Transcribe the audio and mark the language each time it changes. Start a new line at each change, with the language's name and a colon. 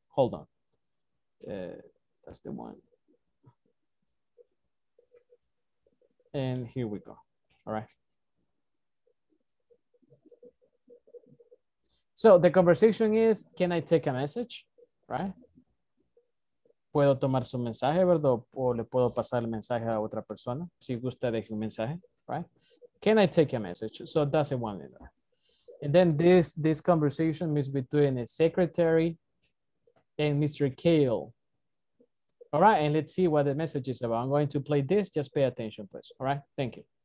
English: Hold on. That's the one. And here we go. All right. So the conversation is, can I take a message?
Spanish: Right? ¿Puedo tomar su mensaje, verdad? ¿O le puedo pasar el mensaje a otra persona? Si gusta, deje un mensaje.
English: Right? Can I take a message? So that's the one. And then this conversation is between a secretary and Mr. Kale. All right, and let's see what the message is about. I'm going to play this. Just pay attention, please. All right, thank you.